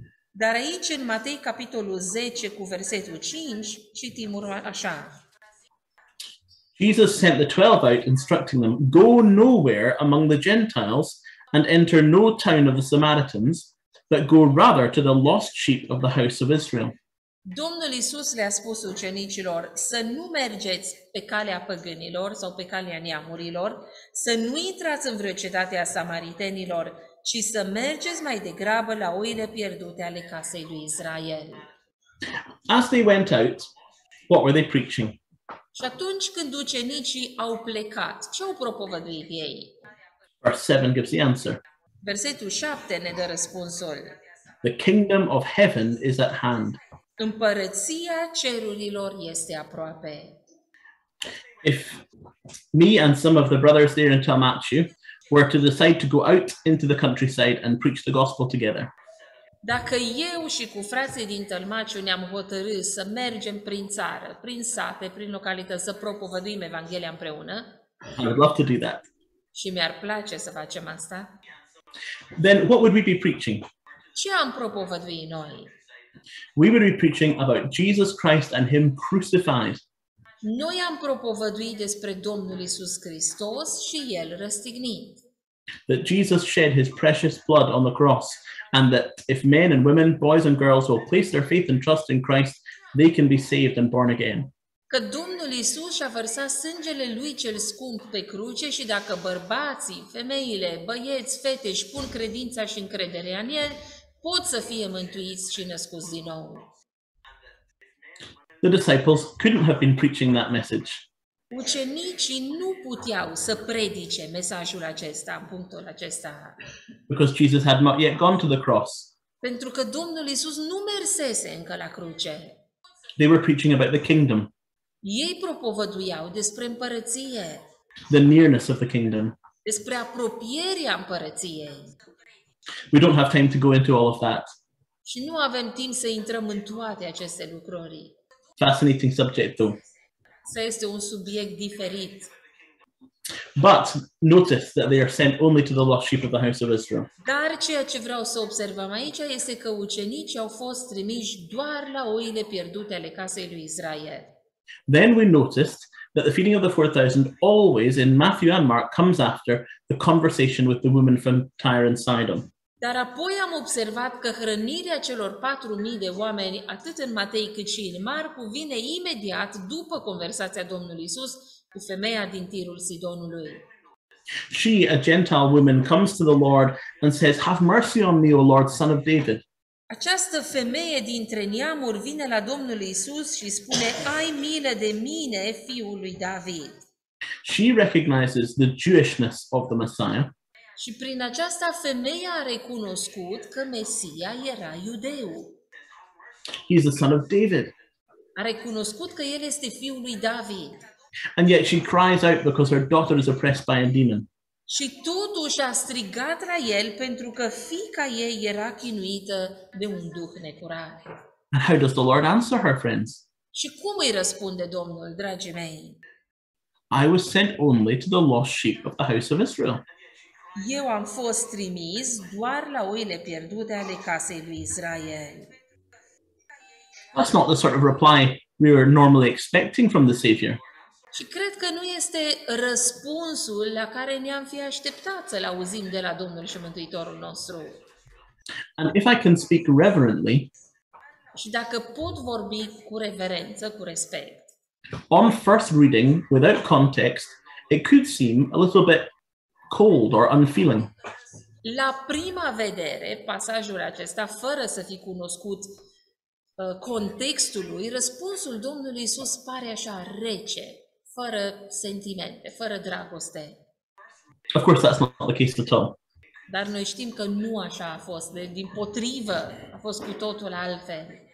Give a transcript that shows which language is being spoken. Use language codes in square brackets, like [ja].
[ro] Dar aici în Matei capitolul 10 cu versetul 5, citim așa. [en] Jesus sent the 12 out, instructing them, "Go nowhere among the Gentiles and enter no town of the Samaritans, but go rather to the lost sheep of the house of Israel." [ro] Domnul Iisus le-a spus ucenicilor să nu mergeți pe calea păgânilor sau pe calea neamurilor, să nu intrați în vreo cetate a samaritenilor, ci să mergeți mai degrabă la oile pierdute ale casei lui Israel. [en] As they went out, what were they preaching? [ro] Și atunci când ucenicii au plecat, ce au propovăduit ei? [en] Verse 7 gives the answer. [ro] Versetul 7 ne dă răspunsul. [en] The kingdom of heaven is at hand. [ro] Împărăția cerurilor este aproape. [en] If me and some of the brothers there in Talmachu were to decide to go out into the countryside and preach the gospel together. [ro] Dacă eu și cu frații din Tălmaciu ne-am hotărât să mergem prin țară, prin sate, prin localități, să propovăduim Evanghelia împreună, [en] I would love to do that. [ro] Și mi-ar place să facem asta, [en] then what would we be preaching? [ro] Ce am propovăduit noi? [en] We would be preaching about Jesus Christ and Him crucified. [ro] Noi am propovăduit despre Domnul Iisus Hristos și El răstignit. [en] That Jesus shed His precious blood on the cross. And that if men and women, boys and girls will place their faith and trust in Christ, they can be saved and born again. [ro] Că Domnul Iisus și-a vărsat sângele lui cel scump pe cruce și dacă bărbații, femeile, băieți, fete își pun credința și încrederea în El, pot să fie mântuiți și născuți din nou. [en] The disciples couldn't have been preaching that message. [ro] Ucenicii nu puteau să predice mesajul acesta, punctul acesta. [en] Because Jesus had not yet gone to the cross. [ro] Pentru că Domnul Iisus nu mersese încă la cruce. [en] They were preaching about the kingdom. [ro] Ei propovăduiau despre împărăție. [en] The nearness of the kingdom. [ro] Despre apropierea împărăției. [en] We don't have time to go into all of that. [ro] Și nu avem timp să intrăm în toate aceste lucruri. [en] Fascinating subject though. [ro] Să este un subiect diferit. [en] But notice that they are sent only to the lost sheep of the house of Israel. [ro] Dar ceea ce vreau să observăm aici este că ucenicii au fost trimiși doar la oile pierdute ale casei lui Israel. [en] Then we noticed that the feeding of the 4,000 always in Matthew and Mark comes after the conversation with the woman from Tyre and Sidon. [ro] Dar apoi am observat că hrănirea celor 4.000 de oameni, atât în Matei cât și în Marcu, vine imediat după conversația Domnului Iisus cu femeia din Tirul Sidonului. [en] She, a Gentile woman, comes to the Lord and says, "Have mercy on me, O Lord, son of David." [ro] Această femeie dintre neamuri vine la Domnul Iisus și spune, "Ai milă de mine, fiul lui David." [en] She recognizes the Jewishness of the Messiah. [ro] Și prin aceasta femeia a recunoscut că Mesia era iudeu. [en] He is the son of David. [ro] A recunoscut că el este fiul lui David. [en] And yet she cries out because her daughter is oppressed by a demon. [ro] Și totuși a strigat la el pentru că fiica ei era chinuită de un duh necurat. [en] And how does the Lord answer her, friends? [ro] Și cum îi răspunde Domnul, dragii mei? [en] I was sent only to the lost sheep of the house of Israel. [ro] Eu am fost trimis doar la oile pierdute ale casei lui Israel. [en] That's not the sort of reply we were normally expecting from the Savior. [ro] Și cred că nu este răspunsul la care ne-am fi așteptat să-l auzim de la Domnul și Mântuitorul nostru. [en] And if I can speak reverently, [ro] și dacă pot vorbi cu reverență, cu respect, [en] on first reading, without context, it could seem a little bit cold or unfeeling. [ro] La prima vedere, pasajul acesta, fără să fi cunoscut contextului, răspunsul Domnului Iisus pare așa rece, fără sentimente, fără dragoste. [en] Of course, that's not the case at all. [ro] Dar noi știm că nu așa a fost, dimpotrivă, a fost cu totul altfel.